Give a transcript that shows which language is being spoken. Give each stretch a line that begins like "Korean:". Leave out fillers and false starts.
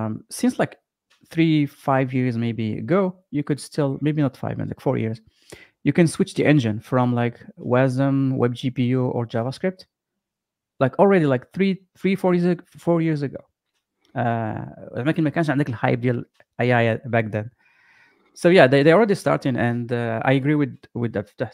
English: Since like 3-5 years maybe ago, you could still, maybe not 5 and like 4 years, you can switch the engine from like WASM, web GPU or JavaScript, like already like three, four years ago.
Arabic: لكن ما كانش عندك الهايب ديال AI
English: back then. So yeah, they already starting, and I agree with that.